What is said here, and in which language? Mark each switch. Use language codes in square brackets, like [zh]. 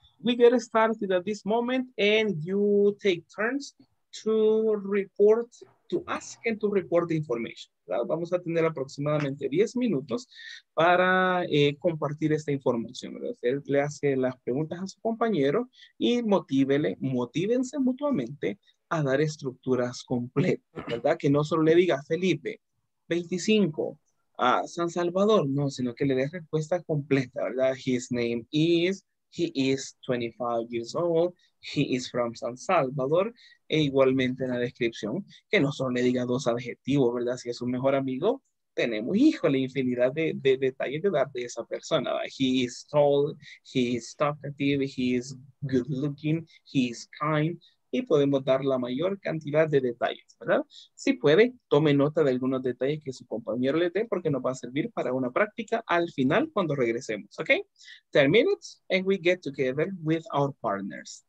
[en] We get started at this moment and you take turns to report, to ask and to report the information. [es] ¿Verdad? Vamos a tener aproximadamente 10 minutos para compartir esta información. Usted le hace las preguntas a su compañero y motívense mutuamente a dar estructuras completas, ¿verdad? Que no solo le diga Felipe, 25, a San Salvador, no, sino que le dé respuesta completa, ¿verdad? [en] His name is, he is 25 years old, he is from San Salvador, [es] e igualmente en la descripción, que no solo le diga dos adjetivos, ¿verdad? Si es su mejor amigo, tenemos, híjole, infinidad de detalles de dar de esa persona, ¿verdad? [en] He is tall, he is talkative, he is good looking, he is kind, [es] y podemos dar la mayor cantidad de detalles, ¿verdad? Si puede, tome nota de algunos detalles que su compañero le dé, porque nos va a servir para una práctica al final cuando regresemos, ¿ok? [en] 10 minutes and we get together with our partners.